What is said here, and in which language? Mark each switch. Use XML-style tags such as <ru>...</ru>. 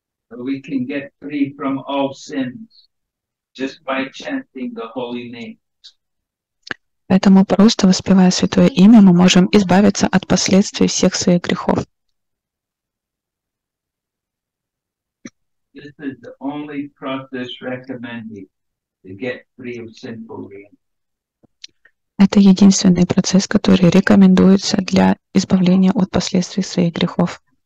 <en>We can get free from all sins just by chanting the holy name.</en> <ru>Поэтому просто воспевая святое имя, мы можем избавиться от последствий всех своих грехов.</ru> <en>This is the only process recommended to get free of sinful reactions.</en> <ru>Это единственный процесс, который рекомендуется для избавления от последствий своих грехов.</ru>